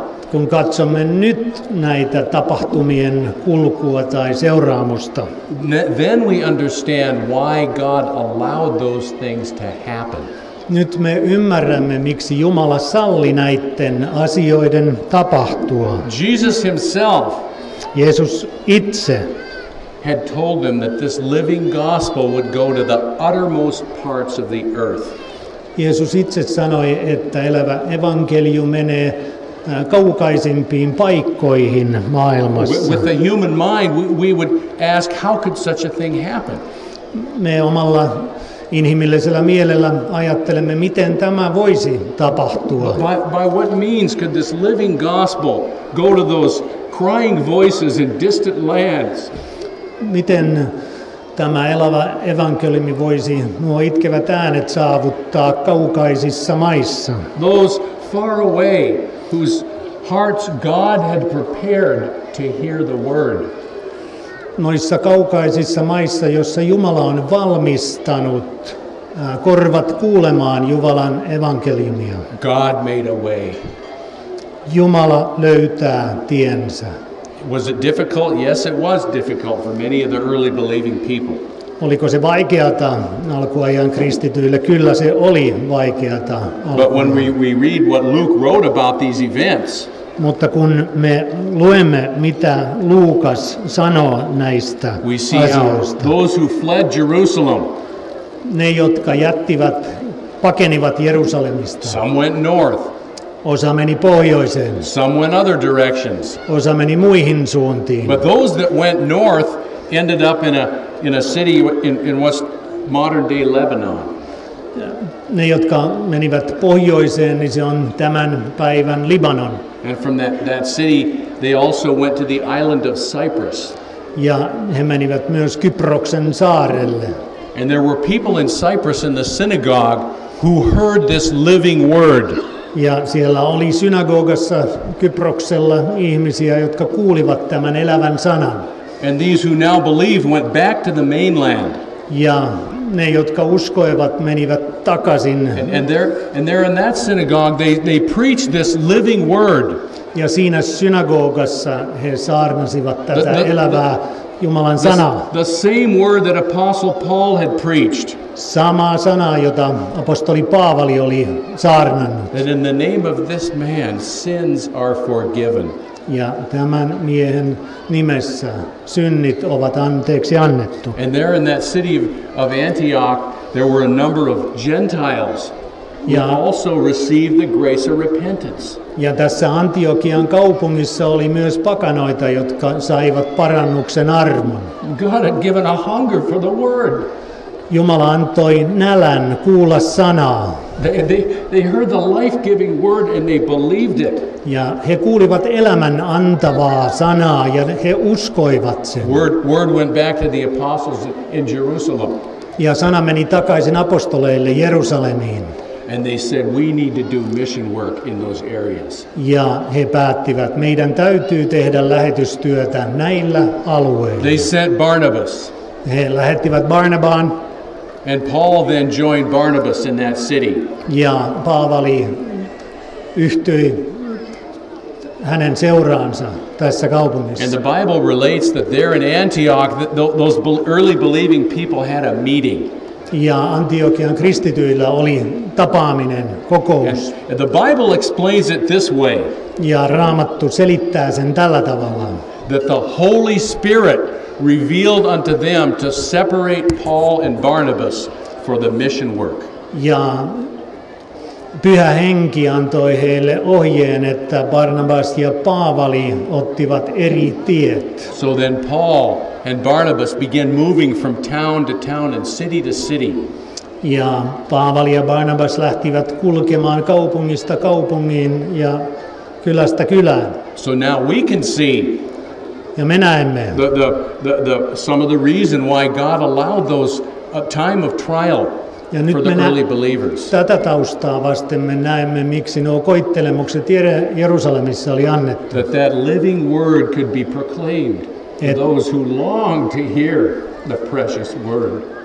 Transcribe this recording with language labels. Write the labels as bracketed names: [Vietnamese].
[Finnish] kun katsomme nyt näitä tapahtumien kulkua tai seuraamusta, [English] then we understand why God allowed those things to happen. [Finnish] Nyt me ymmärrämme, miksi Jumala salli näiden asioiden tapahtua. [English] Jesus himself, [Finnish] Jeesus itse, [English] had told them that this living gospel would go to the uttermost parts of the earth. [Finnish] Jeesus itse sanoi, että elävä evankelium menee kaukaisimpiin paikkoihin maailmassa. [English] With the human mind, we would ask, how could such a thing happen? [Finnish] Me omalla inhimillisellä mielellä ajattelemme, miten tämä voisi tapahtua. [English] By what means could this living gospel go to those crying voices in distant lands? [Finnish] Miten tämä elävä evankeliumi voisi nuo itkevät äänet saavuttaa kaukaisissa maissa? [English] Those far away whose hearts God had prepared to hear the word. [Finnish] Noissa kaukaisissa maissa, jossa Jumala on valmistanut korvat kuulemaan Jumalan evankeliumia. [English] God made a way. [Finnish] Jumala löytää tiensä. [English] Was it difficult? Yes, it was difficult for many of the early believing people. [Finnish] Oliko se vaikeata alkuajan kristityille? Kyllä se oli vaikeata. [English] But when we read what Luke wrote about these events, [Finnish] mutta kun me luemme, mitä Luukas sanoo näistä asioista, [English] those who fled Jerusalem, [Finnish] ne jotka jättivät, pakenivat Jerusalemista, [English] some went north, [Finnish] osa meni pohjoiseen, [English] some went other directions, [Finnish] osa meni muihin suuntiin. [English] But those that went north ended up in a city in what's modern day Lebanon. [Finnish] Ne jotka menivät pohjoiseen, niin se on tämän päivän Libanon. [English] And from that city they also went to the island of Cyprus. [Finnish] Ja he menivät myös Kyproksen saarelle. [English] And there were people in Cyprus in the synagogue who heard this living word. [Finnish] Ja siellä oli synagogassa Kyproksella ihmisiä, jotka kuulivat tämän elävän sanan. [English] And these who now believe went back to the mainland. [Finnish] Ja ne, jotka uskoivat, menivät takaisin. [English] And there in that synagogue they preached this living word. [Finnish] Ja siinä synagogassa he saarnasivat tätä elävää Jumalan sanaa. [English] The same word that Apostle Paul had preached. [Finnish] Sama sana, jota apostoli Paavali oli saarnannut. [English] That in the name of this man sins are forgiven. [Finnish] Ja tämän miehen nimessä synnit ovat anteeksi annettu. [English] And there in that city of Antioch there were a number of Gentiles who also received the grace of repentance. [Finnish] Ja tässä Antiokian kaupungissa oli myös pakanoita, jotka saivat parannuksen armon. [English] God had given a hunger for the word. [Finnish] Jumala antoi nälän kuulla sanaa. [English] They heard the life-giving word and they believed it. [Finnish] Ja he kuulivat elämän antavaa sanaa ja he uskoivat sen. [English] Word went back to the apostles in Jerusalem. [Finnish] Ja sana meni takaisin apostoleille Jerusalemiin. [English] And they said, we need to do mission work in those areas. [Finnish] Ja he päättivät, meidän täytyy tehdä lähetystyötä näillä alueilla. [English] They sent Barnabas. [Finnish] He lähettivät Barnabaan. [English] And Paul then joined Barnabas in that city. [Finnish] Ja Paavali yhtyi hänen seuraansa tässä kaupungissa. [English] And the Bible relates that there in Antioch, those early believing people had a meeting. [Finnish] Ja Antiokian kristityillä oli tapaaminen, kokous. [English] And the Bible explains it this way. [Finnish] Ja Raamattu selittää sen tällä tavalla. [English] That the Holy Spirit revealed unto them to separate Paul and Barnabas for the mission work. [Finnish] Ja Pyhä Henki antoi heille ohjeen, että Barnabas ja Paavali ottivat eri tiet. [English] So then Paul and Barnabas began moving from town to town and city to city. [Finnish] Ja Paavali ja Barnabas lähtivät kulkemaan kaupungista kaupungiin ja kylästä kylään. [English] So now we can see. [Finnish] Ja me näemme [English] the some of the reason why God allowed those time of trial for the early believers. [Finnish] Tätä taustaa vasten me näemme, miksi nuo koittelemukset Jerusalemissa oli annettu. [English] That living word could be proclaimed. for those who long to hear the precious word.